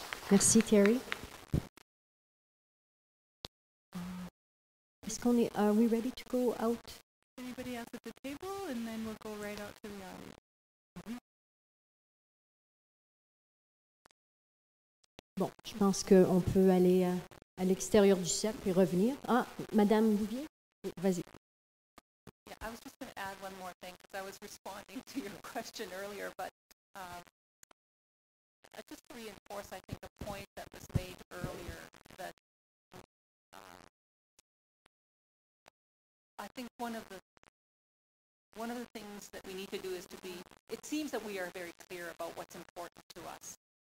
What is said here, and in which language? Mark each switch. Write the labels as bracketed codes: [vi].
[fr] Merci, Terry. [en] Are we ready to go out? Anybody else at the table? And then we'll go right out to the audience. [fr] Bon, je pense qu'on peut aller à l'extérieur du cercle et revenir. Ah, Madame Bouvier, vas-y. [en] Yeah, I was just going to add one more thing because I was responding to your question earlier, but just to reinforce, I think, the point that was made earlier that I think one of the things that we need to do is to be, it seems that we are very clear about what's important to us.